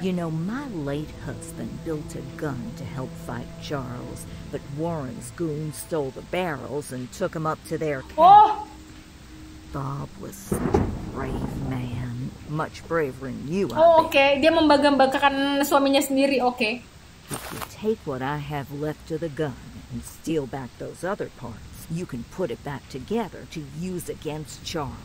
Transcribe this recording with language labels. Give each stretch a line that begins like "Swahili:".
English: You know, my late husband built a gun to help fight Charles, but Warren's goons stole the barrels and took him up to their camp. Oh! Bob was such a brave man, much braver than you. Oh, okay.
Indonesian: Dia membagambakan suaminya sendiri.
English: Okay. If you take what I have left of the gun and steal back those other parts, you can put it back together to use against Charles.